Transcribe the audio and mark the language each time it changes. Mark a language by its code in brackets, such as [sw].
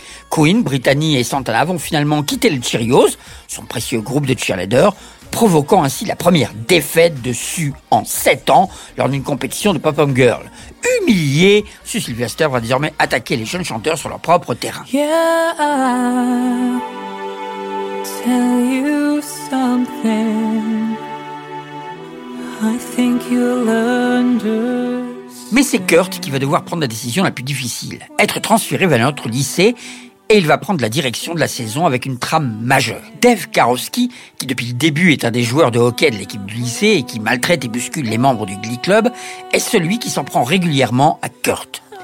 [fr] Queen, Brittany et Santana vont finalement quitter les Cheerios, son précieux groupe de cheerleaders, provoquant ainsi la première défaite de Sue en 7 ans lors d'une compétition de Pop-Up Girl. Humiliée, Sue Sylvester va désormais attaquer les jeunes chanteurs sur leur propre terrain. [en] Yeah, tell you something. I think you'll understand. [fr] Mais c'est Kurt qui va devoir prendre la décision la plus difficile, être transféré vers notre lycée. Et il va prendre la direction de la saison avec une trame majeure. Dave Karofsky, qui depuis le début est un des joueurs de hockey de l'équipe du lycée et qui maltraite et bouscule les membres du Glee Club, est celui qui s'en prend régulièrement à Kurt.